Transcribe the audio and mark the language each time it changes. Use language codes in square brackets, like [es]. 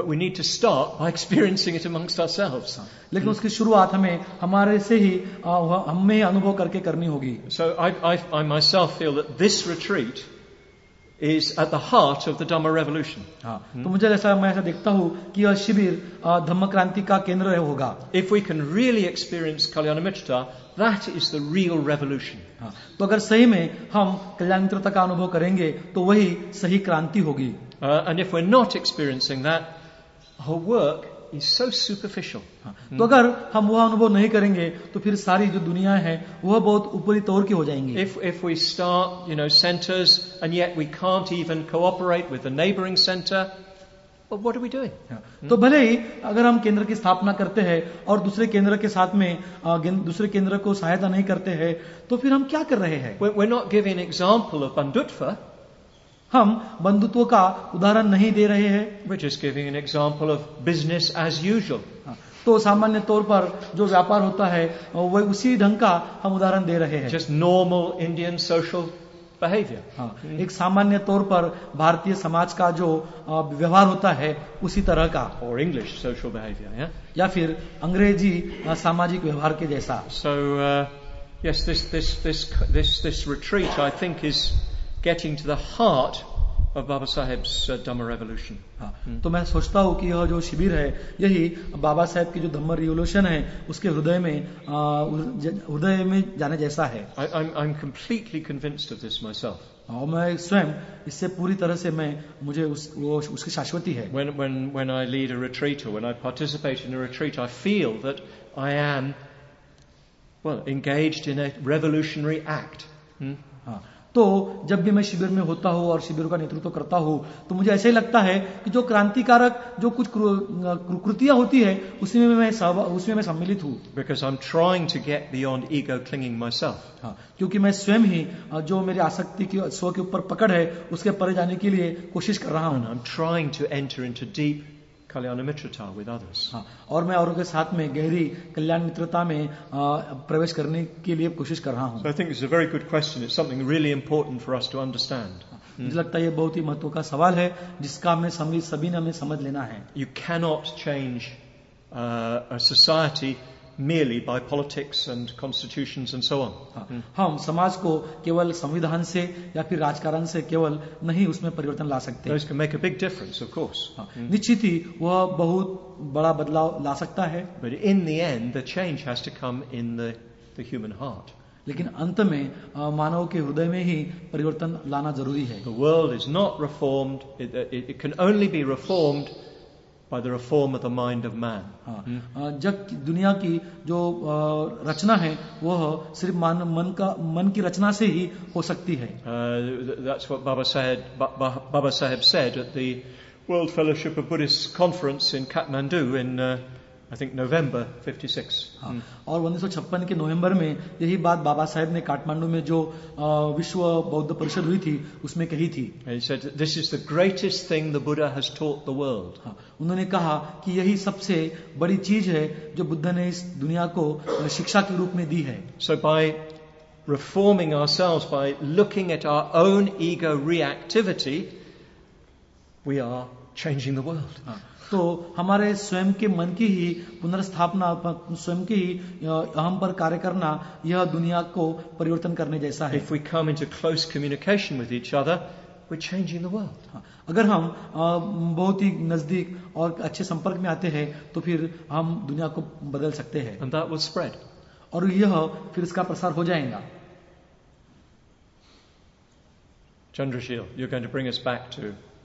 [en] But we need to start by experiencing it amongst ourselves. [hi] लेकिन उसकी शुरुआत हमें हमारे से ही हमें ही अनुभव करके करनी होगी. [en] So I myself feel that this retreat is at the heart of the Dhamma revolution. [hi] तो मुझे ऐसा मैं ऐसा देखता हूँ कि यह शिविर धम्म क्रांति का केंद्र होगा. [en] If we can really experience Kalyanamitrata, that is the real revolution. [hi] तो अगर सही में हम कल्याणमित्रता का अनुभव करेंगे तो वही सही क्रांति होगी. [en] And if we're not experiencing that, our work is so superficial. [hi] तो अगर हम वह अनुभव नहीं करेंगे तो फिर सारी जो दुनिया है वह बहुत ऊपरी तौर की हो जाएंगी. [en] If we start, you know, centers and yet we can't even cooperate with the neighboring center, well, what are we doing? [hi] तो भले ही अगर हम केंद्र की स्थापना करते हैं और दूसरे केंद्र के साथ में दूसरे केंद्र को सहायता नहीं करते हैं तो फिर हम क्या कर रहे हैं? [en] We're not giving an example of Bandhutva. [hi] हम बंधुत्व का उदाहरण नहीं दे रहे हैं. [en] Which is giving an example of business as usual. [hi] तो सामान्य तौर पर जो व्यापार होता है वह उसी ढंग का हम उदाहरण दे रहे हैं. [en] Just normal Indian social behavior. [hi] एक सामान्य तौर पर भारतीय समाज का जो व्यवहार होता है उसी तरह का. [en] Or English social behavior, yeah? [hi] या फिर अंग्रेजी सामाजिक व्यवहार के जैसा. [en] So, yes, this retreat, I think, is getting to the heart of Baba Sahib's Dhamma revolution. [hi] तो मैं सोचता हूँ कि यह जो शिविर है, यही बाबा साहब की जो धम्म रिवॉल्यूशन है, उसके हृदय में जाने जैसा है. [en] I'm completely convinced of this myself. [hi] और मैं स्वयं इससे पूरी तरह से मुझे उसकी शाश्वती है. [en] When I lead a retreat or when I participate in a retreat, I feel that I am engaged in a revolutionary act. [hi] तो जब भी मैं शिविर में होता हूँ और शिविर का नेतृत्व करता हूँ तो मुझे ऐसा ही लगता है कि जो क्रांतिकारक जो कुछ कृतियां होती है उसमें मैं सम्मिलित हूँ. [en] Because I'm trying to get beyond ego clinging myself. [hi] क्योंकि मैं स्वयं ही जो मेरी आसक्ति की स्व के ऊपर पकड़ है उसके परे जाने के लिए कोशिश कर रहा हूँ. [en] I'm trying to enter into deep kalyana mitrata with others. [hi] और मैं औरों के साथ में गहरी कल्याण मित्रता में प्रवेश करने के लिए कोशिश कर रहा हूँ. [en] So I think it's a very good question. It's something really important for us to understand. [hi] मुझे लगता है ये बहुत ही महत्व का सवाल है जिसका हमें सभी ने हमें समझ लेना है. [en] You cannot change a society merely by politics and constitutions and so on. [hi] हम समाज को केवल संविधान से या फिर राजकारण से केवल नहीं उसमें परिवर्तन ला सकते. [en] Those can make a big difference, of course. [hi] निश्चित ही वह बहुत बड़ा बदलाव ला सकता है. [en] But in the end, the change has to come in the human heart. [hi] लेकिन अंत में मानव के हृदय में ही परिवर्तन लाना जरूरी है. [en] The world is not reformed. It can only be reformed by the reform of the mind of man. [hi] जब दुनिया की जो रचना है वह सिर्फ मन की रचना से ही हो सकती है. [en] That's what Baba Saheb said at the World Fellowship of Buddhists conference in Kathmandu in I think November 56. [hi] और 1956 के नवंबर में यही बात बाबा साहेब ने काठमांडू में जो विश्व बौद्ध परिषद हुई थी उसमें कही थी. [en] He said this is the greatest thing the Buddha has taught the world. [hi] उन्होंने कहा कि यही सबसे बड़ी चीज है जो बुद्ध ने इस दुनिया को शिक्षा के रूप में दी है. [en] So by reforming ourselves, by looking at our own ego reactivity, we are changing the world. [hi] तो हमारे स्वयं के मन की ही पुनर्स्थापना स्वयं के ही अहम पर कार्य करना यह दुनिया को परिवर्तन करने जैसा है. [en] If we come into close communication with each other, we're changing the world. [hi] अगर हम बहुत ही नजदीक और अच्छे संपर्क में आते हैं तो फिर हम दुनिया को बदल सकते हैं. [en] And that will spread. [hi] और यह फिर इसका प्रसार हो जाएगा. [en] Chandrashil, you're going to bring us back to.